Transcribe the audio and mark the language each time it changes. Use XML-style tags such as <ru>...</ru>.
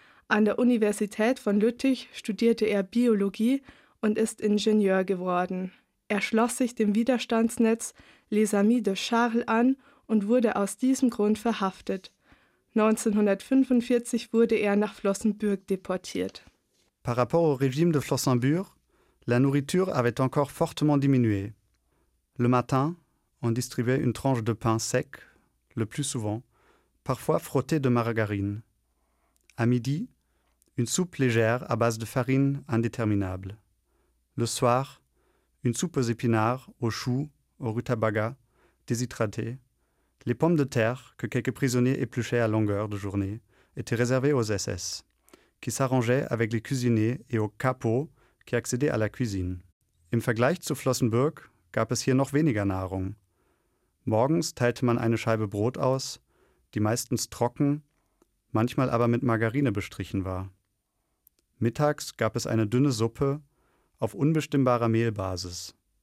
<de>An der Universität von Lüttich studierte er Biologie und ist Ingenieur geworden. Er schloss sich dem Widerstandsnetz Les Amis de Charles an und wurde aus diesem Grund verhaftet. 1945 wurde er nach Flossenbürg deportiert.</de> <fr>Par rapport au régime de Flossenbürg, la nourriture avait encore fortement diminué. Le matin, on distribuait une tranche de pain sec, le plus souvent, parfois frottée de margarine. À midi, une soupe légère à base de farine indéterminable. Le soir, une soupe aux épinards, aux choux, aux rutabaga, déshydratés. Les pommes de terre, que quelques prisonniers épluchaient à longueur de journée, étaient réservées aux SS, qui s'arrangeaient avec les cuisiniers et aux capots qui accédaient à la cuisine.</fr> <de>Im Vergleich zu Flossenbürg gab es hier noch weniger Nahrung. Morgens teilte man eine Scheibe Brot aus, die meistens trocken, manchmal aber mit Margarine bestrichen war. Mittags gab es eine dünne Suppe auf unbestimmbarer Mehlbasis.</de>